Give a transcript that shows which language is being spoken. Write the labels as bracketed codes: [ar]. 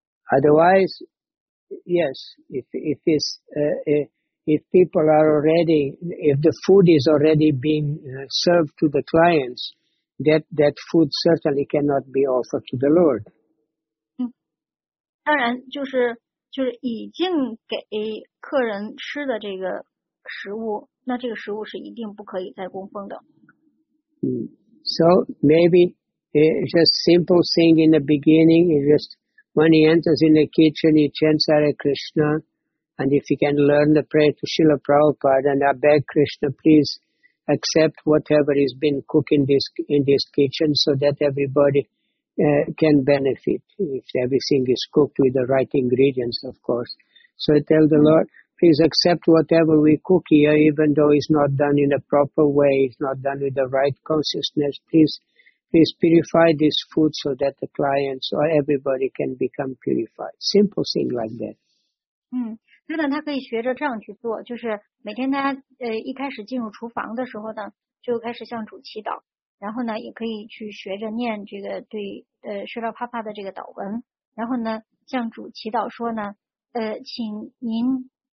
[en] Otherwise, yes, if people are already, if the food is already being served to the clients, that food certainly cannot be offered to the Lord. [zh] 当然就是已经给客人吃的这个食物。那这个食物是一定不可以再供奉的。So [en] maybe it's just simple thing in the beginning. It's just when he enters in the kitchen, he chants Hare Krishna. And if he can learn the prayer to Srila Prabhupada, and I beg Krishna, please accept whatever he's been cooking in this kitchen so that everybody can benefit. If everything is cooked with the right ingredients, of course. So I tell the Lord, please accept whatever we cook here, even though it's not done in a proper way, it's not done with the right consciousness. Please purify this food so that the clients or everybody can become purified. Simple thing like that. [zh] 嗯，那他可以学着这样去做，就是每天他一开始进入厨房的时候呢，就开始向主祈祷，然后呢，也可以去学着念这个对，释迦帕帕的这个祷文，然后呢，向主祈祷说呢，请您。